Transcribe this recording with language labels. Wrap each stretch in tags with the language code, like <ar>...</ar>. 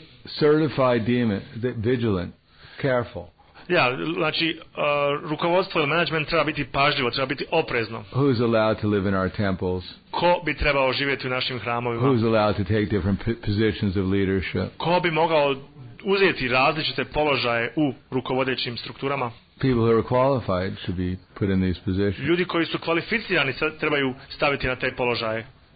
<en>Certified demon, vigilant, careful.</en> <bs>Yeah, znači, rukovodstvo ili management treba biti pažljivo, treba biti oprezno.</bs> <en>Who's allowed to live in our temples?</en> <bs>Ko bi trebao živjeti u našim hramovima?</bs> <en>Who's allowed to take different positions of leadership?</en> <bs>Ko bi mogao uzeti različite položaje u rukovodećim strukturama?</bs> <en>People who are qualified should be put in these positions.</en> <bs>Ljudi koji su kvalificirani trebaju staviti na te položaje.</bs>